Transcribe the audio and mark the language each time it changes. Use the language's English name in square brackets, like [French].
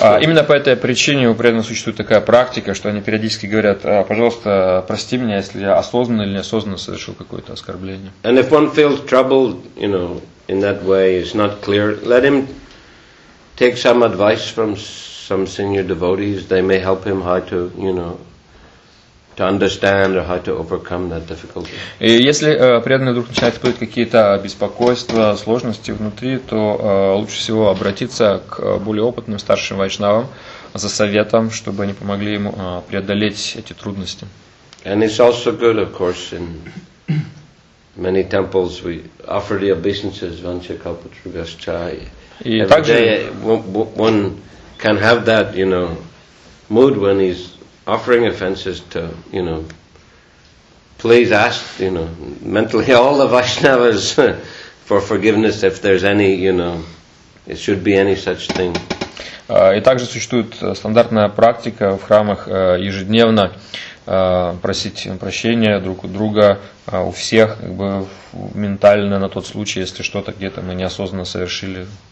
[Russian] Именно по этой причине у преданных существует такая практика, что они периодически говорят: пожалуйста, прости меня, если я осознанно или неосознанно совершил какое-то оскорбление. [English] And if one feels troubled, in that way, it's not clear, let him take some advice from some senior devotees. They may help him how to, to understand or how to overcome that difficulty. [Russian] Если преданный вдруг начинает испытывать какие-то беспокойства, сложности внутри, то лучше всего обратиться к более опытным старшим вайшнавам за советом, чтобы они помогли ему преодолеть эти трудности. [English] And it's also good, of course, in many temples we offer the obeisances, vancha kalpa trugascha. [Russian] И также [English] one can have that, mood when he's offering offenses to, please ask, mentally all the Vaishnavas for forgiveness if there's any, it should be any such thing. [Russian] И также существует стандартная практика в храмах ежедневно просить прощения друг у друга у всех, как бы ментально на тот случай, если что-то где-то мы неосознанно совершили.